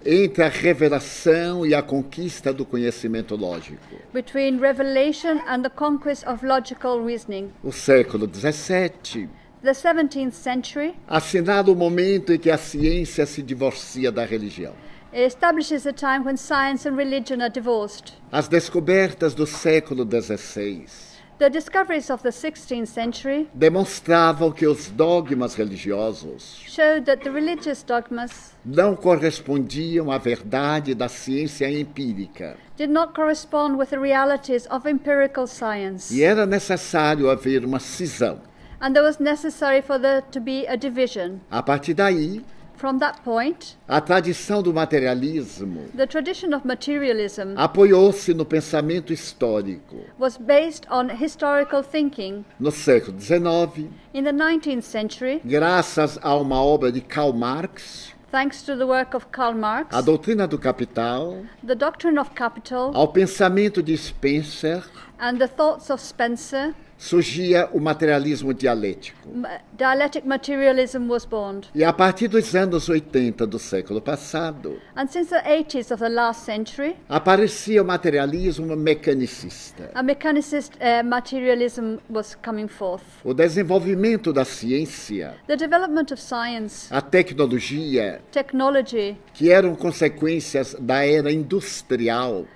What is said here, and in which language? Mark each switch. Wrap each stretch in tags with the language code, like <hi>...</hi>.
<pt>entre a revelação e a conquista do conhecimento lógico.</pt> <en>Between revelation and the conquest of logical reasoning.</en> <pt>O século 17.</pt> <en>The 17th century.</en> <pt>Assinado o momento em que a ciência se divorcia da religião.</pt> <en>establishes a time when science and religion are divorced.</en> <pt>As descobertas do século XVI.</pt> <en>The discoveries of the 16th century</en> <pt>demonstravam que os dogmas religiosos</pt> <en>showed that the religious dogmas</en> <pt>não correspondiam à verdade da ciência empírica.</pt> <en>Did not correspond with the realities of empirical science.</en> <pt>E era necessário haver uma cisão.</pt> <en>And there was necessary for there to be a division.</en> <pt>A partir daí,</pt> <en>from that point,</en> <pt>a tradição do materialismo,</pt> <en>the tradition of materialism,</en> <pt>apoiou-se no pensamento histórico,</pt> <en>was based on historical thinking,</en> <pt>no século XIX,</pt> <en>in the 19th century,</en> <pt>graças a uma obra de Karl Marx,</pt> <en>thanks to the work of Karl Marx,</en> <pt>a doutrina do capital,</pt> <en>the doctrine of capital,</en> <pt>ao pensamento de Spencer,</pt> <en>and the thoughts of Spencer,</en> <pt>surgia o materialismo dialético.</pt> <en>Dialectic materialism was born.</en> <pt>E a partir dos anos 80 do século passado,</pt> <en>and since the 80s of the last century,</en> <pt>aparecia o materialismo mecanicista.</pt> <en>A mechanicist materialism was coming forth.</en> <pt>O desenvolvimento da ciência,</pt> <en>the development of science,</en> <pt>a tecnologia,</pt> <en>technology,</en> <pt>que eram consequências da era industrial,</pt>